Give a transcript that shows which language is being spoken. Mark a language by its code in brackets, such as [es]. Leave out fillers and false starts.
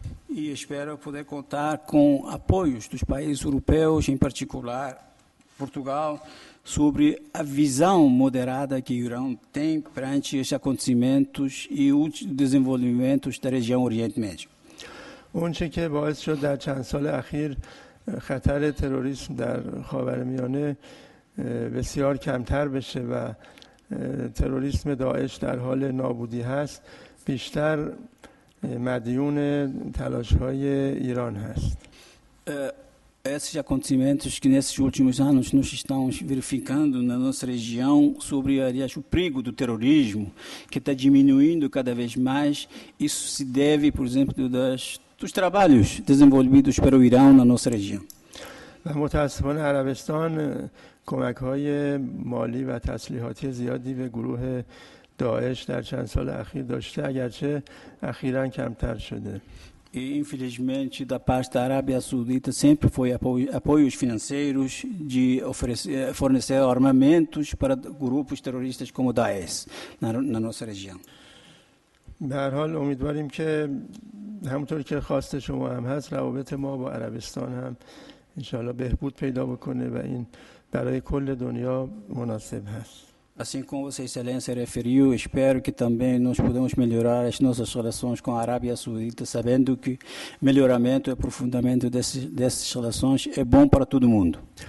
[pt] E espero poder contar com apoios dos países europeus, em particular Portugal, sobre a visão moderada que Irã tem perante esses acontecimentos e os desenvolvimentos da região Oriente Médio. [fa] اونچه که باعث شد در چند سال اخیر خطر تروریسم در خاورمیانه بسیار کمتر بشه و تروریسم داعش در حال نابودی هست، بیشتر مدیون تلاش‌های ایران هست. [pt] Esses acontecimentos que nesses últimos anos nos estamos verificando na nossa região sobre, aliás, o perigo do terrorismo, que está diminuindo cada vez mais, isso se deve, por exemplo, dos trabalhos desenvolvidos pelo Irã na nossa região. [fa] E, متاسفانه, a عربستان کمک‌های مالی و تسلیحاتی زیادی به گروه داعش در چند سال اخیر داشته، اگرچه اخیراً کمتر شده. [pt] E, infelizmente, da parte da Arábia Saudita sempre foi apoios financeiros de fornecer armamentos para grupos terroristas como o Daesh na nossa região. [fa] در حال امیدواریم که همونطور که خواست شما هم هست روابط ما با عربستان هم انشاءالله بهبود پیدا بکنه و این برای کل دنیا مناسب هست. [pt] Assim como Vossa Excelência referiu, espero que também nós podemos melhorar as nossas relações com a Arábia Saudita, sabendo que melhoramento e aprofundamento dessas relações é bom para todo mundo.